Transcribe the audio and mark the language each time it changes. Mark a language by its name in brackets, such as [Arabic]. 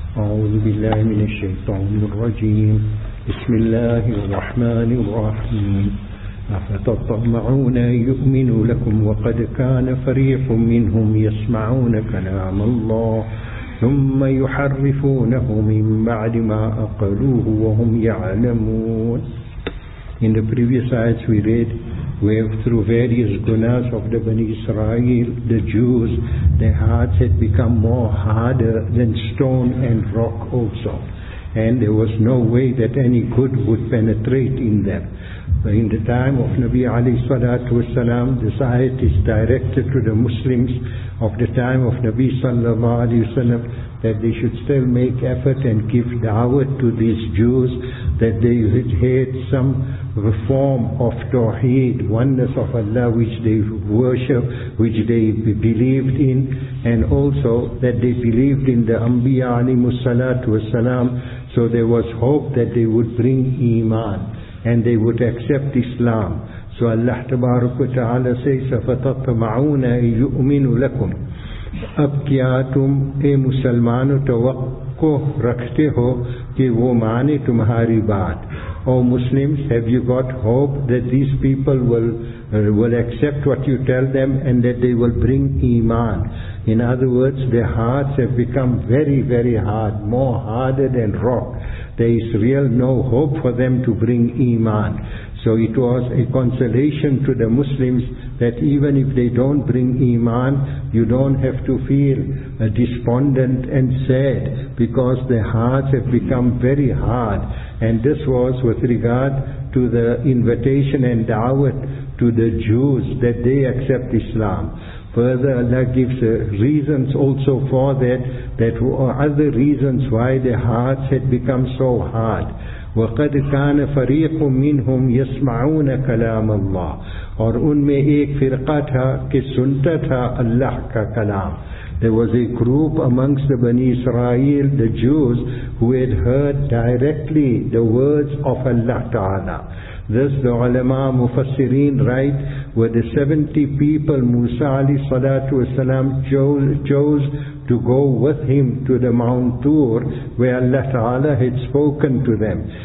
[Arabic] أعوذ بالله من الشيطان الرجيم. بسم الله الرحمن الرحيم. أفتطمعون أن يؤمنوا لكم وقد كان فريق منهم يسمعون كلام الله ثم يحرفونه من بعد ما أقلوه وهم يعلمون. [English] In the previous ayats we read, where through various gunas of the Bani Israel, the Jews, their hearts had become more harder than stone and rock also. And there was no way that any good would penetrate in them. But in the time of Nabi alayhi salatu wasalam, this ayat is directed to the Muslims of the time of Nabi sallallahu alayhi wasalam, that they should still make effort and give da'wah to these Jews, that they had some reform of tawheed, oneness of Allah, which they worship, which they believed in, and also that they believed in the Anbiya alayhi salatu wasalam. So there was hope that they would bring iman and they would accept Islam. So Allah tabarak wa ta'ala says, [Arabic] فَتَطْمَعُونَ يُؤْمِنُ لَكُمْ. [Urdu] اب کیا تم اے مسلمان توقع رکھتے ہو کہ وہ مانے تمہاری بات. [English] Oh Muslims, have you got hope that these people will accept what you tell them and that they will bring iman? In other words, their hearts have become very, very hard, more harder than rock. There is real no hope for them to bring iman. So it was a consolation to the Muslims that even if they don't bring iman, you don't have to feel despondent and sad, because their hearts have become very hard. And this was with regard to the invitation and da'wah to the Jews that they accept Islam. Further, Allah gives reasons also for that were other reasons why their hearts had become so hard. [Arabic] وَقَدْ كَانَ فَرِيقٌ مِّنْهُمْ يَسْمَعُونَ كَلَامَ اللَّهِ. [Urdu] اور ان میں ایک فرقہ تھا کہ سنتا تھا اللہ کا کلام. [English] There was a group amongst the Bani Israel, the Jews, who had heard directly the words of Allah Ta'ala. Thus the ulama mufassirin write, were the 70 people Musa alayhi salatu wasalam chose to go with him to the Mount Tur, where Allah Ta'ala had spoken to them.